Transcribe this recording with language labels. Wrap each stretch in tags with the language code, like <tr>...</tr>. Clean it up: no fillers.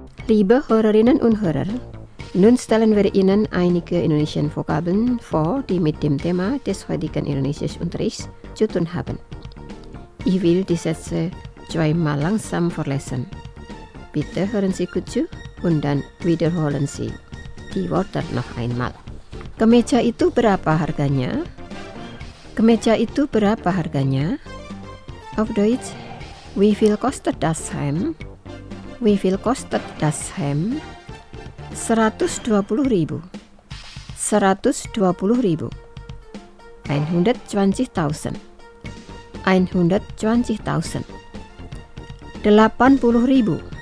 <de>Liebe Hörerinnen und Hörer, nun stellen wir Ihnen einige indonesische Vokabeln vor, die mit dem Thema des heutigen indonesischen Unterrichts zu tun haben. Ich will die Sätze zweimal langsam vorlesen. Bitte hören Sie gut zu und dann wiederholen Sie die Wörter noch einmal.</de> <id>Kemeja itu berapa harganya? Kemeja itu berapa harganya?</id> <de>Auf Deutsch, wie viel kostet das Hemd? Wie viel kostet das Hemd?</de> <id>120.000. 120.000. 120.000. 120.000. 80.000.</id>